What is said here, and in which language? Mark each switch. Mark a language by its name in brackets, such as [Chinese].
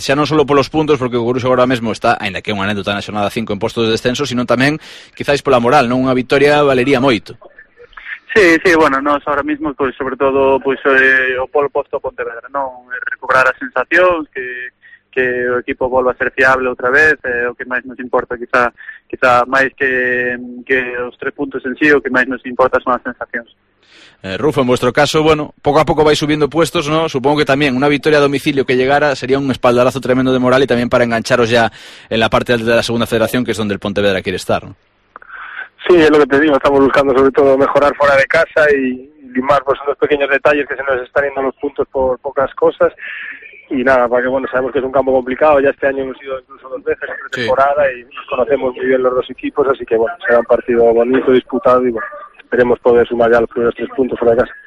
[Galician] Xa non só polos puntos, porque o Coruxo agora mesmo está, ainda que é unha anécdota na xornada 5 en postos de descenso, sino tamén quizáis pola moral, non? Unha victoria valería moito. [Spanish] Sí, sí, bueno, nos ahora mismo, pues sobre todo, pues [Galician] o polo posto a Pontevedra, [Spanish] ¿no? [Galician] Recuperar a sensación, que o equipo volva a ser fiable outra vez, o que máis nos importa, quizá máis que os tres puntos en sí, o que máis nos importa son as sensacións. [Spanish] Rufo, en vuestro caso, bueno, poco a poco vais subiendo puestos, ¿no? Supongo que también una victoria a domicilio que llegara sería un espaldarazo tremendo de moral y también para engancharos ya en la parte de la segunda federación, que es donde el Pontevedra quiere estar, ¿no? Sí, es lo que te digo, estamos buscando sobre todo mejorar fuera de casa y limar pues esos pequeños detalles que se nos están yendo los puntos por pocas cosas y nada, para que bueno, sabemos que es un campo complicado, ya este año hemos ido incluso dos veces en pretemporada sí. Y nos conocemos muy bien los dos equipos, así que bueno, será un partido bonito, disputado y bueno, esperemos poder sumar ya los primeros tres puntos fuera de casa.